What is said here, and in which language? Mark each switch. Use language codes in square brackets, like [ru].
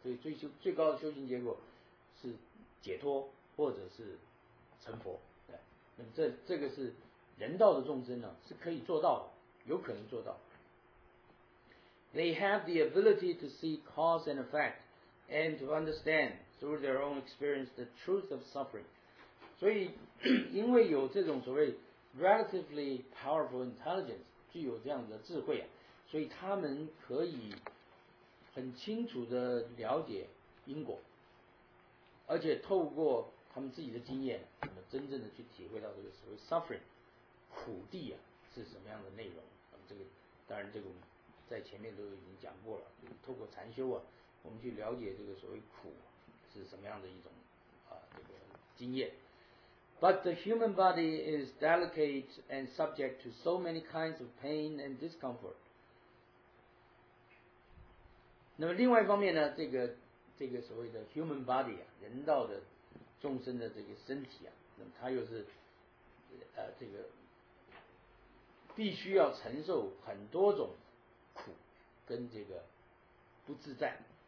[zh] 所以最高的修行结果是解脱或者是成佛。对。那么这个是人道的众生呢、啊，是可以做到，有可能做到。 [en] They have the ability to see cause and effect, and to understand through their own experience the truth of suffering. [zh] 所以，因为有这种所谓 [en] relatively powerful intelligence， [zh] 具有这样的智慧啊，所以他们可以很清楚的了解因果，而且透过他们自己的经验，那么真正的去体会到这个所谓 suffering 苦地啊是什么样的内容。那么这个当然这个我们在前面都已经讲过了，就是透过禅修啊，我们去了解这个所谓苦是什么样的一种啊这个经验。 [en] But the human body is delicate and subject to so many kinds of pain and discomfort. [zh] 那么另外一方面呢，这个所谓的 [en] human body [zh] 啊，人道的众生的这个身体啊，那么它又是这个必须要承受很多种苦跟这个不自在。